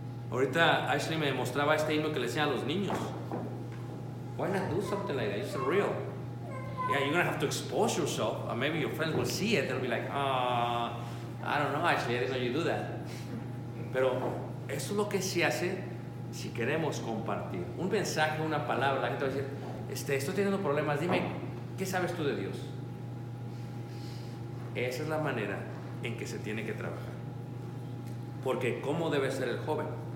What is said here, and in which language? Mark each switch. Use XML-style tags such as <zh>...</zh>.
<es>Ahorita Ashley me mostraba este himno que le decía a los niños.</es> <en>Why not do something like that? It's a reel. Yeah, you're going to have to expose yourself. Or maybe your friends will see it. They'll be like, ah, I don't know, Ashley, I didn't know you do that.</en> <es>Pero eso es lo que se hace si queremos compartir un mensaje, una palabra. La gente va a decir, estoy teniendo problemas, dime, ¿qué sabes tú de Dios? Esa es la manera en que se tiene que trabajar. Porque ¿cómo debe ser el joven?</es>